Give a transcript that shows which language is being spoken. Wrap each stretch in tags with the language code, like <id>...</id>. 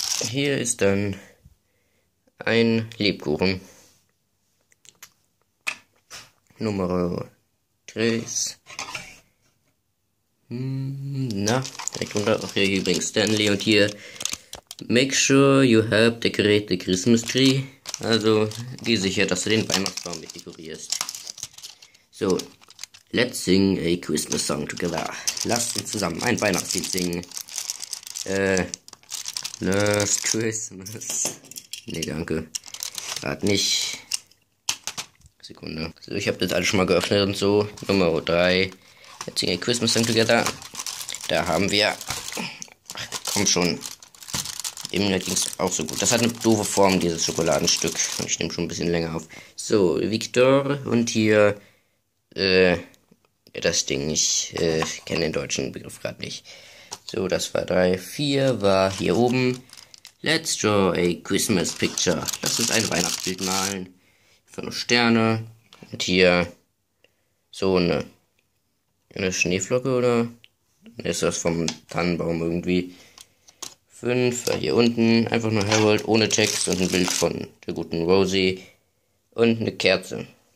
<de>Hier ist dann ein Lebkuchen. Nummer 3. Na, direkt runter. Ach, hier übrigens Stanley und hier.</de> <en>Make sure you have decorated the Christmas tree.</en> <de>Also, geh sicher, dass du den Weihnachtsbaum mit dekorierst.</de> <en>So, let's sing a Christmas song together.</en> <de>Lasst uns zusammen ein Weihnachtslied singen. Last Christmas. Nee, danke. Gerade nicht. Sekunde. So, ich habe das alles schon mal geöffnet und so. Nummer 3.</de> <en>Let's sing a Christmas song together.</en> <de>Da haben wir. Ach, komm schon. Eben ging es auch so gut. Das hat eine doofe Form, dieses Schokoladenstück. Und ich nehme schon ein bisschen länger auf. So, Victor und hier. Das Ding, ich kenne den deutschen Begriff gerade nicht. So, das war 3, 4 war hier oben.</de> <en>Let's draw a Christmas picture.</en> <de>Lass uns ein Weihnachtsbild malen. Von Sterne. Und hier so eine Schneeflocke, oder? Dann ist das vom Tannenbaum irgendwie. 5 war hier unten. Einfach nur Harold ohne Text und ein Bild von der guten Rosie. Und eine Kerze.</de>